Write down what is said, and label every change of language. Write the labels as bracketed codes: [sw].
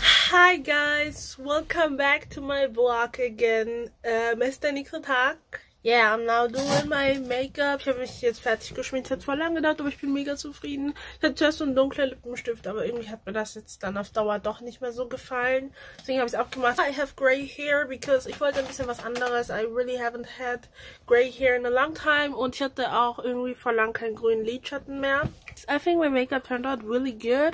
[en] Hi, guys. Welcome back to my vlog again. [de] Ist der nächste Tag? [en] Yeah, I'm now doing my Make-up. [de] Ich habe mich jetzt fertig geschminkt. Hat zwar lange gedauert, aber ich bin mega zufrieden. Ich hatte zuerst so einen dunklen Lippenstift, aber irgendwie hat mir das jetzt dann auf Dauer doch nicht mehr so gefallen. Deswegen habe ich es auch gemacht. [en] I have gray hair, because [de] ich wollte ein bisschen was anderes. [en] I really haven't had gray hair in a long time. [de] Und ich hatte auch irgendwie vor lang keinen grünen Lidschatten mehr. [en] I think my makeup turned out really good.